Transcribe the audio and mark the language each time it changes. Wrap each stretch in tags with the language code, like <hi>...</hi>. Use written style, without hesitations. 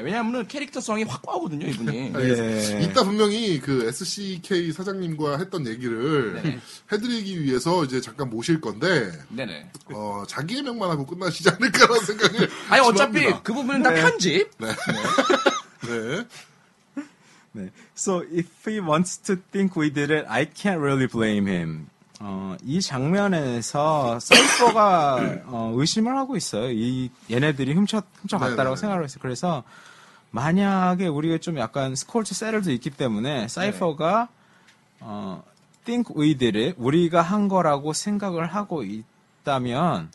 <ko>왜냐하면 캐릭터성이 확고하거든요. 이분이. 네. 이따 분명히 그 SCK 사장님과 했던 얘기를 네. 해드리기 위해서 이제 잠깐 모실 건데 네네. 자기 해명만 하고 끝나시지 않을까라는 생각을 아니 어차피 그 부분은 네. 다 편집. 네. 네. 네. 네.</ko> <en>So if he wants to think we did it, I can't really blame him.</en> <ko>이 장면에서 사이퍼가 의심을 하고 있어요. 이 얘네들이 훔쳐갔다라고 생각을 했어요. 그래서 만약에 우리가 좀 약간 스콜트 세럴도 있기 때문에 사이퍼가 네.</ko> <en>think we did it,</en> <ko>우리가 한 거라고 생각을 하고 있다면</ko>